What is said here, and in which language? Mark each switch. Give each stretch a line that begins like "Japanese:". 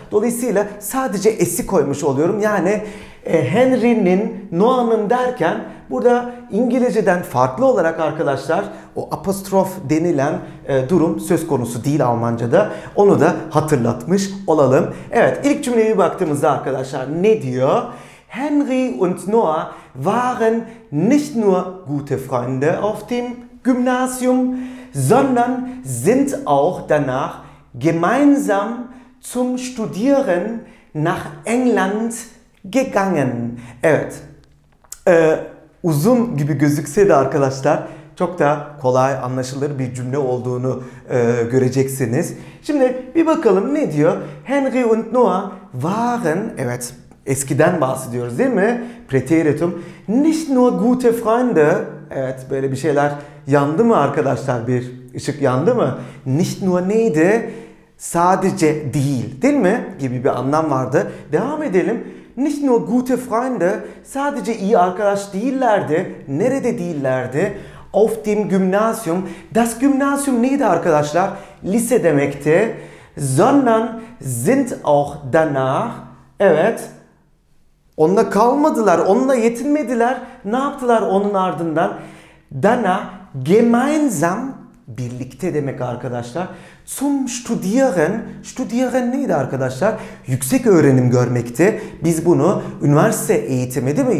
Turkish: Dolayısıyla sadece S'i koymuş oluyorum. Yani Henry'nin, Noah'nın derken burada İngilizceden farklı olarak arkadaşlar o apostrof denilen durum söz konusu değil Almanca'da. Onu da hatırlatmış olalım. Evet, ilk cümleye baktığımızda arkadaşlar ne diyor?
German: Henry und Noah waren nicht nur gute Freunde auf dem Gymnasium, sondern sind auch danach gemeinsam zum Studieren nach England gegangen.
Turkish: Evet, uzun gibi gözükse de arkadaşlar çok da kolay anlaşılır bir cümle olduğunu göreceksiniz. Şimdi bir bakalım ne diyor?
German: Henry und Noah waren,
Turkish: evet, eskiden bahsediyoruz değil mi? Präteritum.
German: Nicht nur gute Freunde.
Turkish: Evet, böyle bir şeyler yandı mı arkadaşlar? Bir ışık yandı mı?
German: Nicht nur
Turkish: neydi? Sadece değil. Değil mi? Gibi bir anlam vardı. Devam edelim.
German: Nicht nur gute Freunde.
Turkish: Sadece iyi arkadaş değillerdi. Nerede değillerdi?
German: Auf dem Gymnasium. Das Gymnasium
Turkish: neydi arkadaşlar? Lise demekti.
German: Sondern sind auch danach.
Turkish: Evet. Onunla kalmadılar, onunla yetinmediler. Ne yaptılar onun ardından? Dana, gemeinsam, birlikte demek arkadaşlar.
German: Zum studieren, studieren
Turkish: neydi arkadaşlar? Yüksek öğrenim görmekti. Biz bunu üniversite eğitimi değil mi?